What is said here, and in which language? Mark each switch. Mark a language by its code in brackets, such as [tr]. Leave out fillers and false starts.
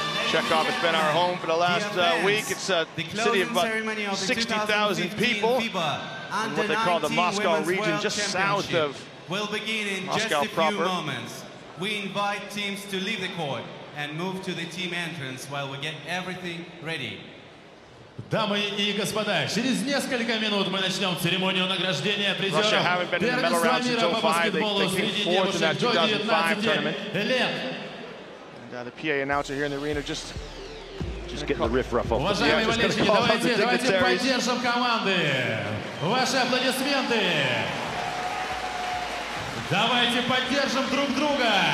[en] Chekhov has been our home for the last week. It's a city of about 60,000 people in what they call the Moscow region, just south of Moscow proper. We invite teams to leave the court and move to the team entrance while we get everything ready. [ru] Дамы и господа, через несколько минут мы начнем церемонию награждения призеров. Первый с вами по баскетболу среди девушек до 19 лет. [en] The PA announcer here in the arena just getting the riff-raff off. [ru] Уважаемые болельщики, давайте поддержим команды. Ваши аплодисменты. Давайте поддержим друг друга.